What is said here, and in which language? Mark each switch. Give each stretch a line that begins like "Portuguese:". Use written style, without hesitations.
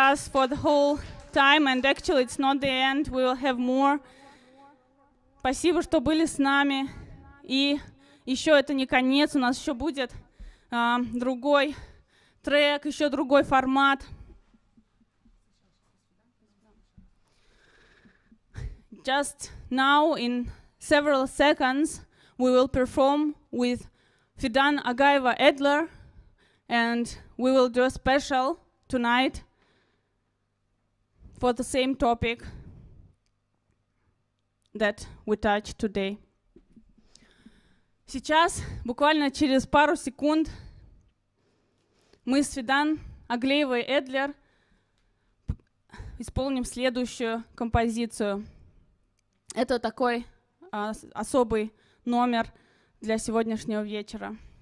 English: For the whole time, and actually it's not the end, we will have more.
Russian: Спасибо, что были с нами, и еще это не конец, у нас еще будет другой трек, еще другой формат.
English: Just now, in several seconds, we will perform with Fidan Agaeva Edler, and we will do a special tonight for the same topic that we touched today.
Russian: Сейчас, буквально через пару секунд, мы с Фидан Агаевой Эдлер исполним следующую композицию. Это такой особый номер для сегодняшнего вечера.